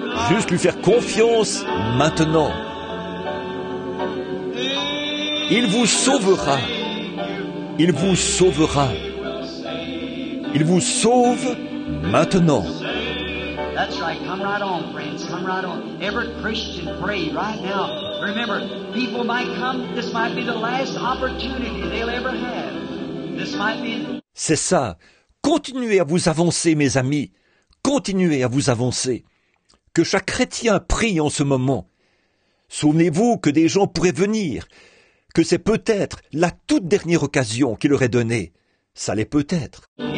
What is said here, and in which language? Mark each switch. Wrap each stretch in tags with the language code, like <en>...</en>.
<fr>Juste lui faire confiance maintenant. Il vous sauvera. Il vous sauvera. Il vous sauve maintenant.</fr> <en>That's right. Come right on, friends. Come right on. Every Christian pray right now. Remember, people might come. This might be the last opportunity they'll ever have. This might be.</en> <fr>C'est ça. Continuez à vous avancer, mes amis. Continuez à vous avancer. Que chaque chrétien prie en ce moment. Souvenez-vous que des gens pourraient venir, que c'est peut-être la toute dernière occasion qu'il leur est donnée. Ça l'est peut-être.</fr>